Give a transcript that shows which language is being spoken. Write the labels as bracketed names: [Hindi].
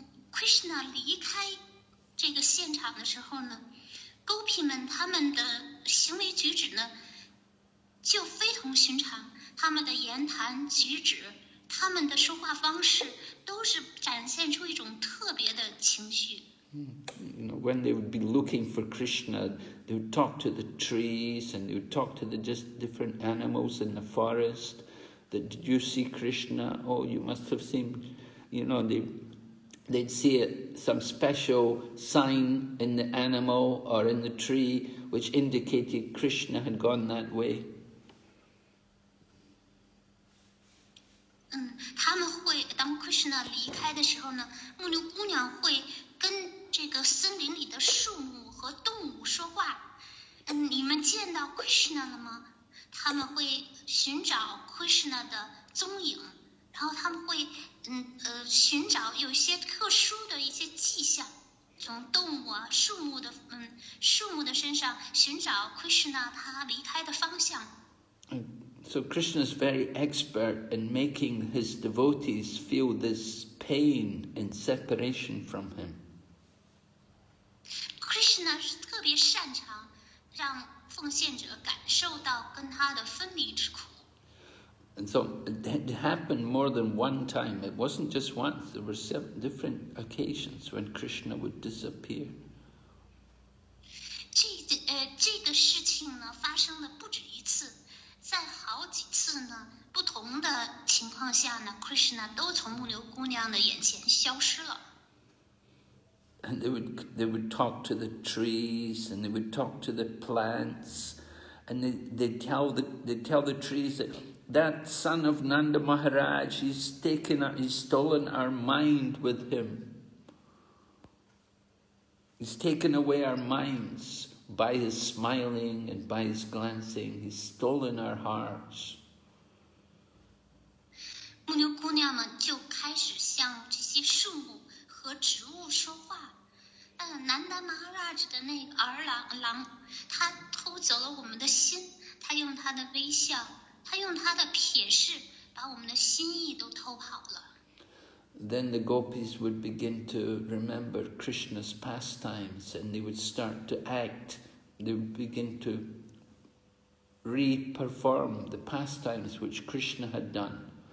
[Chinese] Krishna 离开这个现场的时候呢，勾皮们他们的行为举止呢就非同寻常，他们的言谈举止，他们的说话方式都是展现出一种特别的情绪。 [English] You know, when they would be looking for Krishna, they would talk to the trees and they would talk to the just different animals in the forest. That did you see Krishna? Oh, you must have seen. You know they. They'd see it, some special sign in the animal or in the tree, which indicated Krishna had gone that way. [Chinese] 他们会当 Krishna 离开的时候呢，牧牛姑娘会跟这个森林里的树木和动物说话。你们见到 Krishna 了吗？他们会寻找 Krishna 的踪影。然后他们会寻找有些特殊的一些迹象，从动物啊树木的树木的身上寻找 Krishna 他离开的方向。 [English] So Krishna is very expert in making his devotees feel this pain and separation from him. [Chinese] Krishna 是特别擅长让奉献者感受到跟他的分离之苦。 [English] And so it happened more than one time. It wasn't just once. There were seven different occasions when Krishna would disappear. [Chinese] 这个事情呢发生了不止一次，在好几次呢不同的情况下呢 ，Krishna 都从牧牛姑娘的眼前消失了。 [English] And they would talk to the trees, and they would talk to the plants, and they'd tell the trees that. That son of Nanda Maharaj, he's stolen our mind with him. He's taken away our minds by his smiling and by his glancing. He's stolen our hearts. [Chinese] 牧牛姑娘们就开始向这些树木和植物说话。 Nanda Maharaj 的那个儿郎，他偷走了我们的心，他用他的微笑。他用他的瞥视把我们的心意都偷跑了。 [English] Then the gopis would begin to remember Krishna's pastimes and they would start to act. They would begin to re-perform the pastimes which Krishna had done.